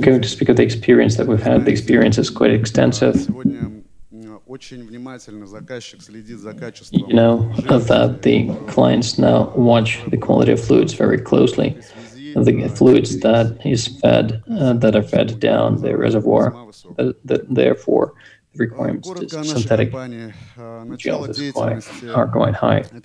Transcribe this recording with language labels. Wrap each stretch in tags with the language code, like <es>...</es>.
<ru>день.</ru> <en>I'm going to speak of the experience that we've had. The experience is quite extensive.</en> <ru>Сегодня очень внимательно заказчик следит за качеством.</ru> <en>You know that the clients now watch the quality of fluids very closely. The fluids that is fed, that are fed down the reservoir, that therefore the requirements to synthetic gels are quite high.</en>